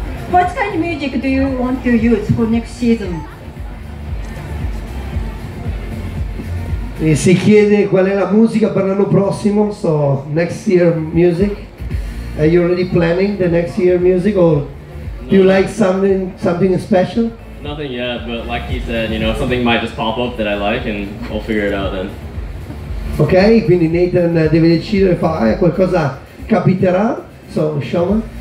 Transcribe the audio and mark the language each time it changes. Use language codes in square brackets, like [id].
[en] What kind of music do you want to use for next season? [it] E si chiede qual è la musica per l'anno prossimo, [en] so next year music. Are you already planning the next year music or do you like something special? Nothing yet, but like he said, something might just pop up that I like and I'll figure it out then. [it] Ok, quindi Nathan deve decidere, qualcosa capiterà, so Shoma.